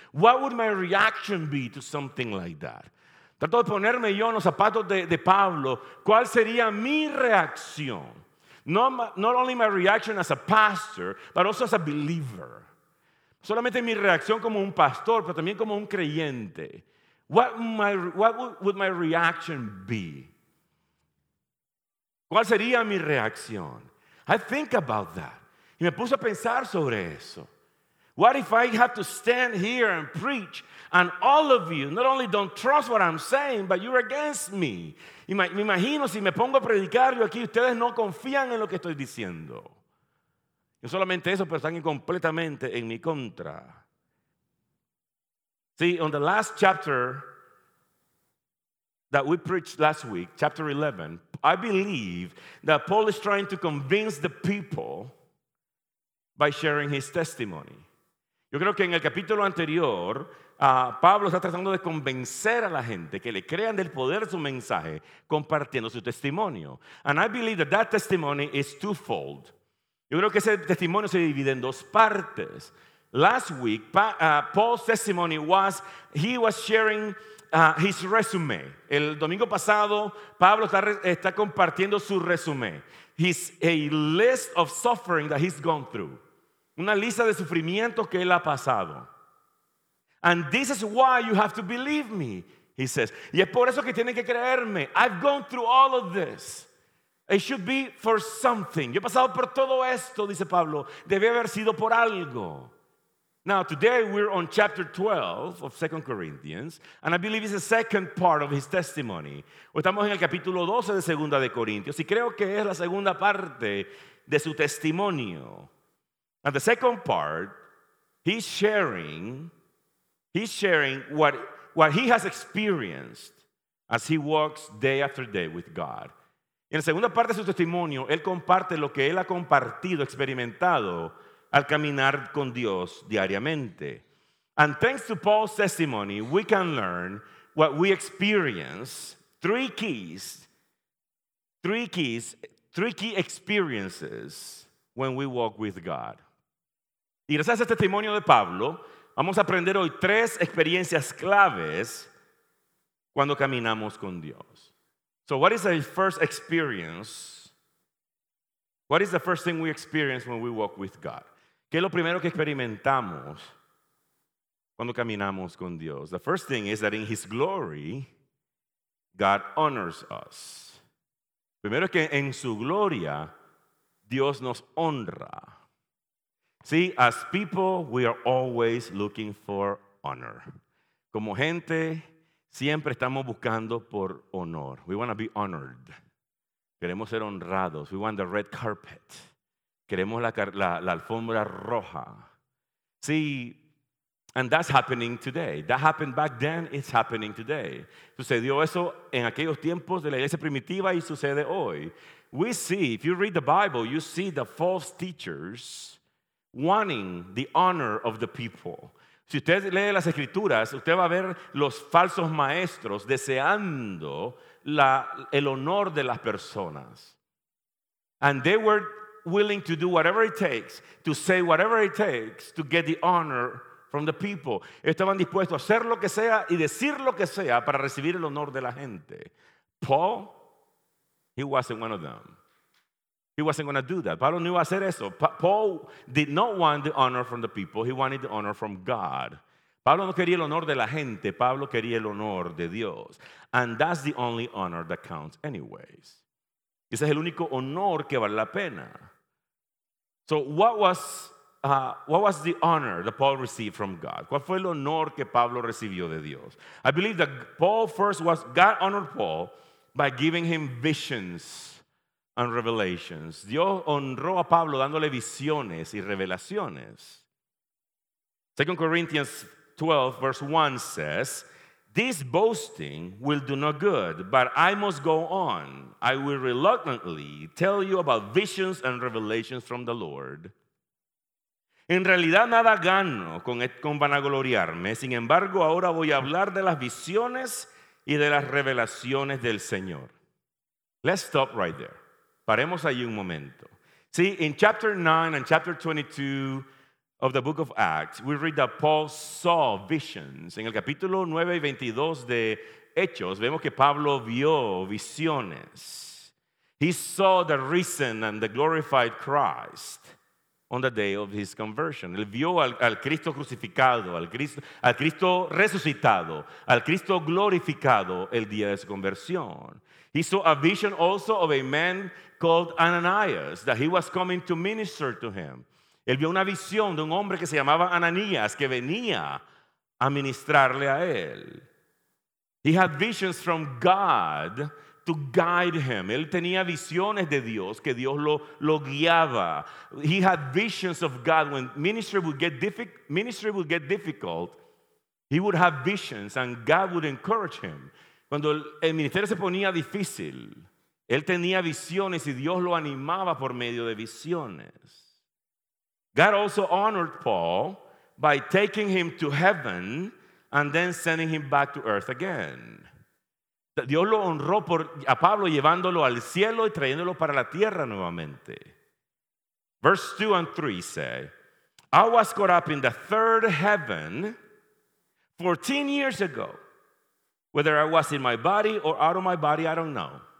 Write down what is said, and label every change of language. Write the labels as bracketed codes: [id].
[en] What would my reaction be to something like that? [es] Trato de ponerme yo en los zapatos de Pablo. ¿Cuál sería mi reacción? [en] Not only my reaction as a pastor, but also as a believer. [es] Solamente mi reacción como un pastor, pero también como un creyente. [en] What would my reaction be? [es] ¿Cuál sería mi reacción? [en] I think about that. [es] Y me puse a pensar sobre eso. [en] What if I have to stand here and preach and all of you not only don't trust what I'm saying, but you're against me? [es] Me imagino si me pongo a predicar yo aquí, ustedes no confían en lo que estoy diciendo. No solamente eso, pero están completamente en mi contra. [en] See, on the last chapter that we preached last week, chapter 11, I believe that Paul is trying to convince the people by sharing his testimony. [es] Yo creo que en el capítulo anterior, Pablo está tratando de convencer a la gente que le crean del poder de su mensaje compartiendo su testimonio. [en] And I believe that testimony is twofold. [es] Yo creo que ese testimonio se divide en dos partes. [en] Last week, Paul's testimony was, he was sharing his resume. [es] El domingo pasado, Pablo está compartiendo su resume. [en] His a list of suffering that he's gone through. [es] Una lista de sufrimientos que él ha pasado. [en] And this is why you have to believe me, he says. [es] Y es por eso que tienen que creerme. [en] I've gone through all of this. It should be for something. [es] Yo he pasado por todo esto, dice Pablo. Debe haber sido por algo. [en] Now, today we're on chapter 12 of 2 Corinthians, and I believe it's the second part of his testimony. [es] Estamos en el capítulo 12 de 2 de Corintios, y creo que es la segunda parte de su testimonio. [en] And the second part, he's sharing what he has experienced as he walks day after day with God. [es] En la segunda parte de su testimonio, él comparte lo que él ha compartido, experimentado al caminar con Dios diariamente. [en] And thanks to Paul's testimony, we can learn what we experience, three key experiences when we walk with God. [es] Y gracias a este testimonio de Pablo, vamos a aprender hoy tres experiencias claves cuando caminamos con Dios. [en] So what is the first experience? What is the first thing we experience when we walk with God? [es] ¿Qué es lo primero que experimentamos cuando caminamos con Dios? [en] The first thing is that in His glory, God honors us. [es] Primero es que en su gloria, Dios nos honra. [en] See, as people, we are always looking for honor. [es] Como gente, siempre estamos buscando por honor. [en] We want to be honored. [es] Queremos ser honrados. [en] We want the red carpet. [es] Queremos la alfombra roja. [en] See, and that's happening today. That happened back then, it's happening today. [es] Sucedió eso en aquellos tiempos de la iglesia primitiva y sucede hoy. [en] We see, if you read the Bible, you see the false teachers wanting the honor of the people. [es] Si usted lee las escrituras, usted va a ver los falsos maestros deseando el honor de las personas. [en] And they were willing to do whatever it takes, to say whatever it takes to get the honor from the people. [es] Estaban dispuestos a hacer lo que sea y decir lo que sea para recibir el honor de la gente. [en] Paul, he wasn't one of them. He wasn't going to do that. [es] Pablo no iba a hacer eso. [en] Paul did not want the honor from the people. He wanted the honor from God. [es] Pablo no quería el honor de la gente. Pablo quería el honor de Dios. [en] And that's the only honor that counts anyways. [es] Ese es el único honor que vale la pena. [en] So what was the honor that Paul received from God? [es] ¿Cuál fue el honor que Pablo recibió de Dios? [en] I believe that Paul first was, God honored Paul by giving him visions and revelations. [es] Dios honró a Pablo dándole visiones y revelaciones. [en] 2 Corinthians 12, verse 1 says, this boasting will do no good, but I must go on. I will reluctantly tell you about visions and revelations from the Lord. [es] En realidad nada gano con vanagloriarme. Sin embargo, ahora voy a hablar de las visiones y de las revelaciones del Señor. [en] Let's stop right there. [es] Paremos ahí un momento. [en] See, in chapter 9 and chapter 22 of the book of Acts, we read that Paul saw visions. [es] En el capítulo 9 y 22 de Hechos, vemos que Pablo vio visiones. [en] He saw the risen and the glorified Christ on the day of his conversion. [es] Él vio al Cristo crucificado, al Cristo resucitado, al Cristo glorificado el día de su conversión. [en] He saw a vision also of a man called Ananias, that he was coming to minister to him. [es] Él vio una visión de un hombre que se llamaba Ananías, que venía a ministrarle a él. [en] He had visions from God to guide him. [es] Él tenía visiones de Dios, que Dios lo guiaba. [en] He had visions of God. When ministry would get difficult, he would have visions and God would encourage him. [es] Cuando el ministerio se ponía difícil, él tenía visiones y Dios lo animaba por medio de visiones. [en] God also honored Paul by taking him to heaven and then sending him back to earth again. [es] Dios lo honró a Pablo llevándolo al cielo y trayéndolo para la tierra nuevamente. [en] Verse 2 and 3 say, I was caught up in the third heaven 14 years ago. Whether I was in my body or out of my body, I don't know.